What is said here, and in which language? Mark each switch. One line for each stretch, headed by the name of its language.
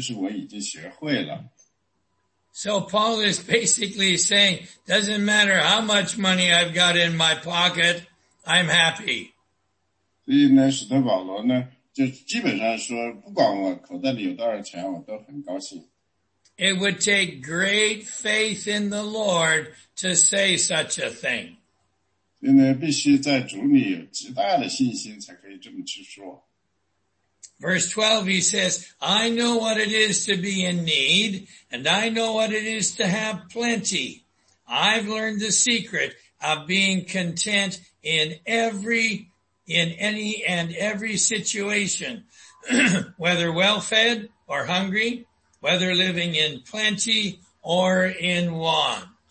Chinese: 第十一节，我并不因缺乏说这话，无论在什么境况都可以知足，这是我已经学会了。
English: So Paul is basically saying, doesn't matter how much money I've got in my pocket, I'm happy.
Chinese: 所以呢，使徒保罗呢，就基本上说，不管我口袋里有多少钱，我都很高兴。
English: It would take great faith in the Lord to say such a thing.
Chinese: 因为必须在主里有极大的信心才可以这么去说。
English: Verse 12, he says, I know what it is to be in need, and I know what it is to have plenty. I've learned the secret of being content in any and every situation, whether well-fed or hungry, whether living in plenty or in want.